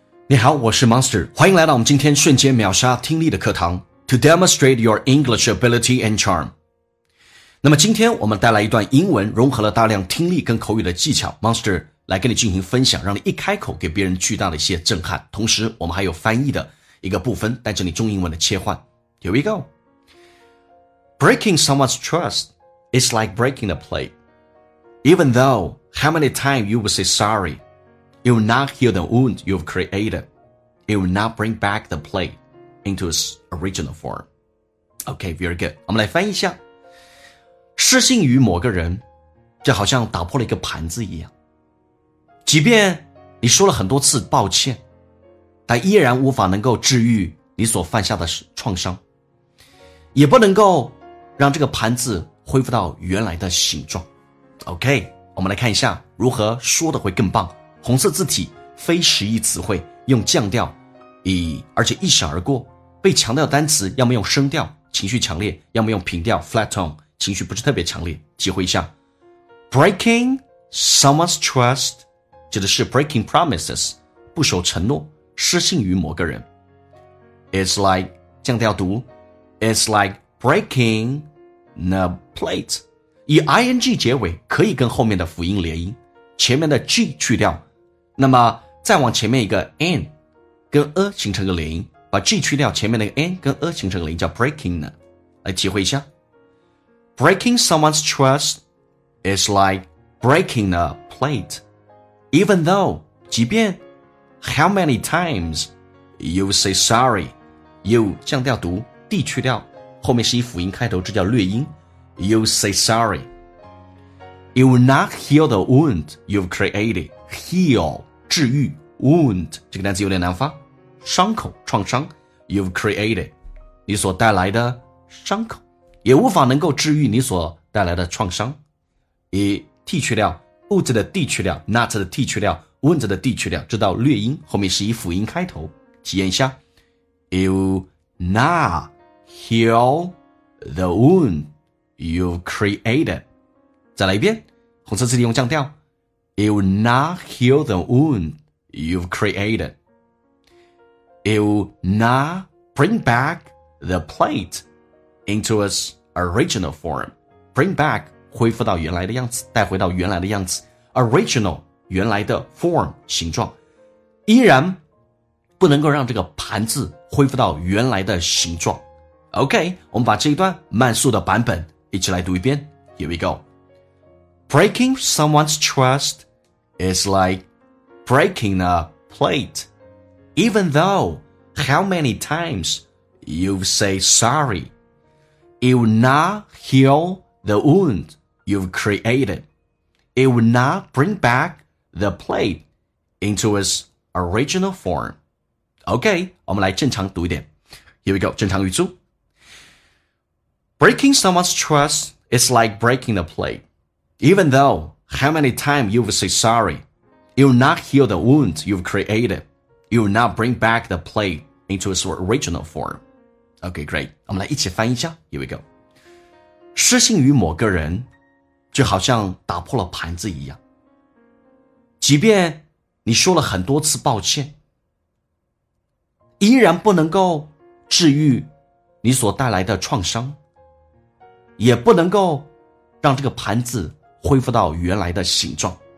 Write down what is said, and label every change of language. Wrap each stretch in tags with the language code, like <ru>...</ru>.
<zh>你好，我是 Monster， 欢迎来到我们今天瞬间秒杀听力的课堂</zh> <en>To demonstrate your English ability and charm。</en> <zh>那么今天我们带来一段英文，融合了大量听力跟口语的技巧， Monster 来跟你进行分享，让你一开口给别人巨大的一些震撼。同时我们还有翻译的一个部分，带着你中英文的切换。</zh> <en>Here we go。 Breaking someone's trust is like breaking a plate. Even though how many times you will say sorryIt will not heal the wound you've created. It will not bring back the plate into its original form. Okay, very good.</en> <zh>我们来翻译一下。失信于某个人，就好像打破了一个盘子一样。即便你说了很多次抱歉，但依然无法能够治愈你所犯下的创伤，也不能够让这个盘子恢复到原来的形状。 Okay, 我们来看一下如何说的会更棒。红色字体，非实义词汇，用降调，而且一闪而过。被强调的单词，要么用升调，情绪强烈；要么用平调 ，flat tone， 情绪不是特别强烈。体会一下 ，</zh> <en>breaking someone's trust</en> <zh>指的是</zh> <en>breaking promises，</en> <zh>不守承诺，失信于某个人。</zh> <en>It's like</en> <zh>降调读 ，</zh> <en>It's like breaking the plate，</en> <zh>以 ing 结尾，可以跟后面的辅音连音。前面的 G 去掉，那么再往前面一个 N 跟 A 形成个连音，把 G 去掉，前面那个 N 跟 A 形成个连音叫 breaking 呢。来体会一下</zh> <en>Breaking someone's trust is like breaking a plate. Even though</en> <zh>即便</zh> <en>How many times you say sorry, you</en> <zh>降调读 D 去掉，后面是以辅音开头，这叫略音。</zh> <en>You say sorryIt will not heal the wound you've created.</en> <zh>Heal, 治愈 wound, 这个单词有点难发。伤口创伤</zh> <en>you've created,</en> <zh>你所带来的伤口也无法能够治愈你所带来的创伤。以 T 去掉 ,wound 的 D 去掉 ,not 的 T 去掉 ,wound 的 D 去掉，直到略音后面是以辅音开头。体验一下。</zh> <en>It will not heal the wound you've created.</en> <zh>再来一遍，红色字体用降调。</zh> <en>It will not heal the wound you've created. It will not bring back the plate into its original form. Bring back,</en> <zh>恢复到原来的样子，带回到原来的样子。 Original, 原来的 form, 形状。依然不能够让这个盘子恢复到原来的形状。 OK, 我们把这一段慢速的版本一起来读一遍。</zh> <en>Here we go. Breaking someone's trust is like breaking a plate. Even though how many times you've said sorry, it will not heal the wound you've created. It will not bring back the plate into its original form.</en> <zh>Okay, 我们来正常读一点。</zh> <en>Here we go,</en> <zh>正常语速。</zh> <en>Breaking someone's trust is like breaking a plate. Even though how many times you've said sorry, it will not heal the wound you've created. It will not bring back the plate into its original form. Okay, great.</en> <zh>我们来一起翻译一下。</zh> <en>Here we go.</en> <zh>失信于某个人，就好像打破了盘子一样。即便你说了很多次抱歉，依然不能够治愈你所带来的创伤，也不能够让这个盘子恢复到原来的形状。</zh>